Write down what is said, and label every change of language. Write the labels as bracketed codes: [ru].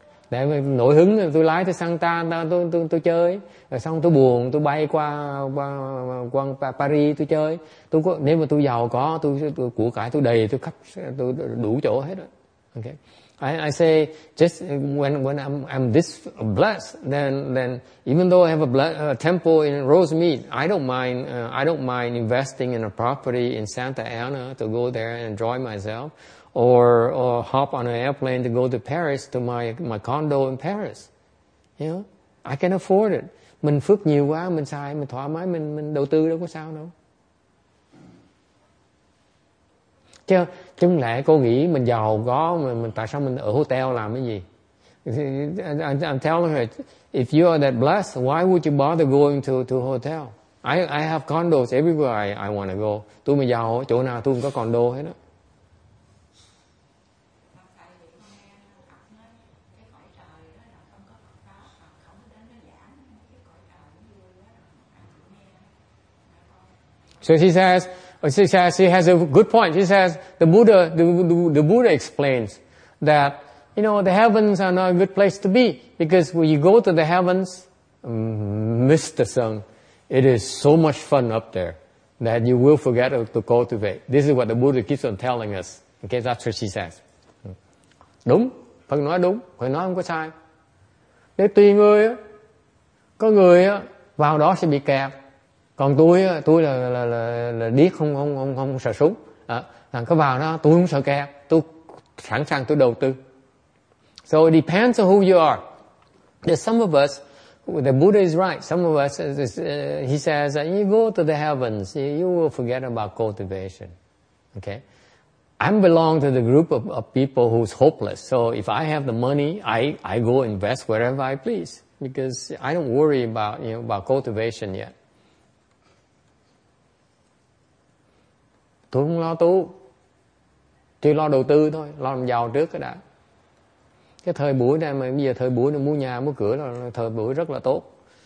[vi] Để nổi hứng tôi lái tới Santana tôi chơi, rồi xong tôi buồn tôi bay qua Paris tôi chơi. Tôi có, nếu mà tôi giàu có, tôi của cải tôi đầy, tôi khắp tôi đủ chỗ hết rồi. [en] Ok. I say, just when I'm this blessed, then even though I have a temple in Rosemead, I don't mind investing in a property in Santa Ana to go there and enjoy myself, or hop on an airplane to go to Paris to my condo in Paris. You know, I can afford it. [vi] Mình phước nhiều quá, mình xài, mình thoải mái, mình đầu tư đâu có sao đâu. Chứ lẽ cô nghĩ mình giàu có mình tại sao mình ở hotel làm cái gì? [en] I'm telling her, if you are that blessed, why would you bother going to hotel? I have condos everywhere I want to go. [vi] Tôi mà giàu chỗ nào tôi cũng có condo hết đó. [en] So she says, she says she has a good point. She says the Buddha explains that, you know, the heavens are not a good place to be because when you go to the heavens, Mr. Sun, it is so much fun up there that you will forget to cultivate. This is what the Buddha keeps on telling us. Okay, that's what she says. [vi] Đúng, Phật nói đúng, Phật nói không có sai. Nếu tùy người, có người vào đó sẽ bị kẹt, Còn tôi là điếc, không sợ súng. Thằng có vào đó, tôi không sợ kẹt, tôi sẵn sàng tôi đầu tư. [en] So it depends on who you are. There's some of us, the Buddha is right. Some of us, he says, you go to the heavens, you will forget about cultivation. Okay? I belong to the group of people who's hopeless. So if I have the money, I go invest wherever I please, because I don't worry about, you know, about cultivation yet. [vi] Tôi không lo tu, tôi lo đầu tư thôi, lo làm giàu trước cái đã. Cái thời buổi này mà bây giờ thời buổi này mua nhà mua cửa là thời buổi rất là tốt.